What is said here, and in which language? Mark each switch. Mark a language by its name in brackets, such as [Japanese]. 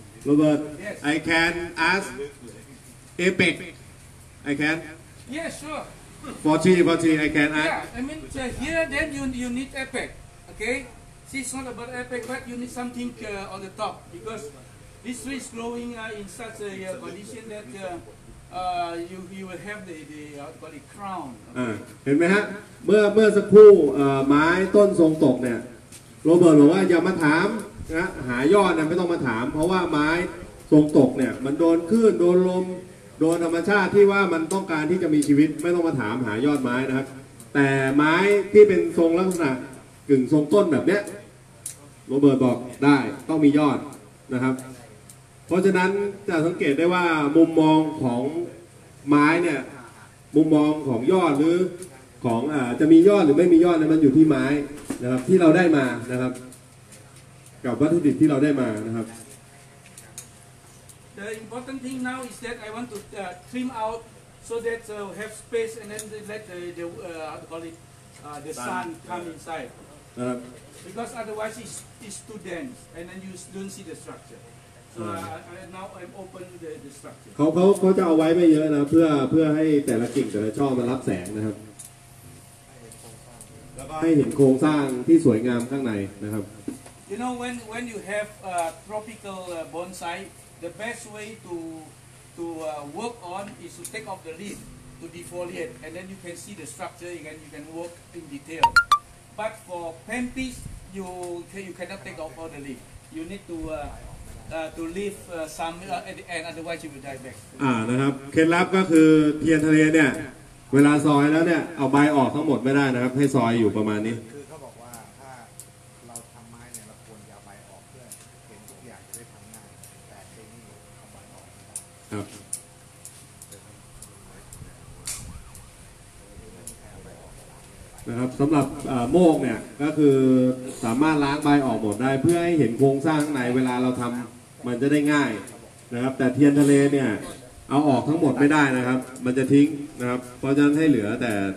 [English] รเบิร์ต I can ask Epic I can Yes sure Forty I can ask Yeah I mean here then you need Epic Okay See it's not about Epic but you need something on the top because this tree is growing in such a condition that you will have the body crown [Thai] เห็นไหมฮะเมื่อสักครู่ไม้ต้นทรงตกเนี่ยโรเบิร์ตบอกว่าอย่ามาถามนะหายอดนะไม่ต้องมาถามเพราะว่าไม้ทรงตกเนี่ยมันโดนคลื่นโดนลมโดนธรรมชาติที่ว่ามันต้องการที่จะมีชีวิตไม่ต้องมาถามหายอดไม้นะครับแต่ไม้ที่เป็นทรงลักษณะกึ่งทรงต้นแบบเนี้ย โรเบิร์ตบอกได้ต้องมียอดนะครับเพราะฉะนั้นจะสังเกตได้ว่ามุมมองของไม้เนี่ยมุมมองของยอดหรือของจะมียอดหรือไม่มียอดเนี่ยมันอยู่ที่ไม้นะครับที่เราได้มานะครับกับวัตถุดิบที่เราได้มานะครับ [English] The important thing now is that I want to trim out so that have space and then let the how to call it the sun come inside because otherwise it's too dense and then you don't see the structure so now I'm open the structure [Thai] เขาจะเอาไว้ไม่เยอะนะเพื่อให้แต่ละกิ่งแต่ละช่อมันรับแสงนะครับให้เห็นโครงสร้างที่สวยงามข้างในนะครับ [English] You know when you have a tropical bonsai the best way to work on is to take off the leaf to defoliate and then you can see the structure and you can work in detail but for pampas you cannot take off all the leaf you need to leave some at the end otherwise you will die back [Thai] นะครับเคล็ดลับก็คือเทียนทะเลเนี่ยเวลาซอยแล้วเนี่ยเอาใบออกทั้งหมดไม่ได้นะครับให้ซอยอยู่ประมาณนี้ คือเขาบอกว่าถ้าเราทำไม้เนี่ยเราควรจะเอาใบออกเพื่อเห็นทุกอย่างจะได้ทำง่ายแต่เองนี่เอาใบออกไม่ได้ครับนะครับสำหรับโมกเนี่ยก็คือสามารถล้างใบออกหมดได้เพื่อให้เห็นโครงสร้างข้างในเวลาเราทำมันจะได้ง่ายนะครับแต่เทียนทะเลเนี่ยเอาออกทั้งหมดไม่ได้นะครับมันจะทิ้งนะครับเพราะฉะนั้นให้เหลือแต่